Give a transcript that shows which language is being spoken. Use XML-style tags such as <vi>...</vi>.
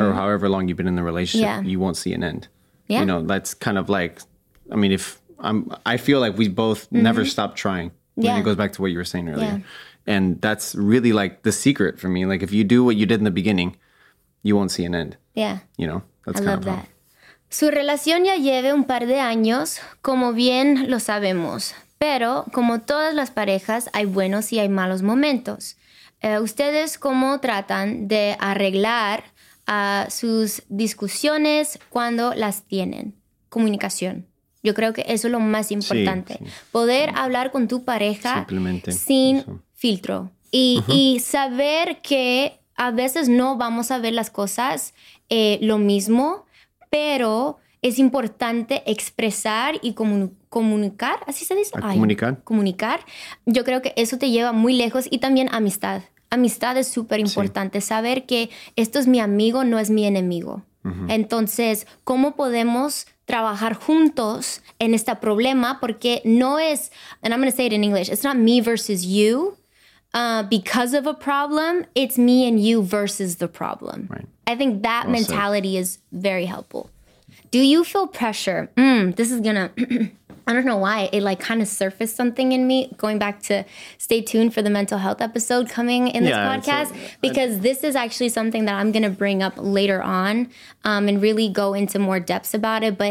<en>or however long you've been in the relationship, you won't see an end. Yeah. You know, that's kind of like, I mean, I feel like we both never stopped trying. Yeah. And it goes back to what you were saying earlier. Yeah. And that's really like the secret for me. Like if you do what you did in the beginning, you won't see an end. Yeah. You know, that's kind of that.</en> <es>Su relación ya lleva un par de años, como bien lo sabemos. Pero como todas las parejas, hay buenos y hay malos momentos. ¿Ustedes cómo tratan de arreglar sus discusiones cuando las tienen? Comunicación. Yo creo que eso es lo más importante. Sí, sí. Poder hablar con tu pareja sin filtro. Y saber que a veces no vamos a ver las cosas lo mismo, pero es importante expresar y comunicar. ¿Así se dice? Comunicar. Comunicar. Yo creo que eso te lleva muy lejos y también amistad. amistad es súper importante. Sí. Saber que esto es mi amigo, no es mi enemigo. Uh-huh. Entonces, ¿cómo podemos trabajar juntos en este problema? Porque no es,</es> <en>and I'm going to say it in English, it's not me versus you because of a problem. It's me and you versus the problem. Right. I think that awesome. Mentality is very helpful. Do you feel pressure? This is going to, I don't know why, it like kind of surfaced something in me, going back to stay tuned for the mental health episode coming in this podcast, because this is actually something that I'm going to bring up later on and really go into more depths about it.</en>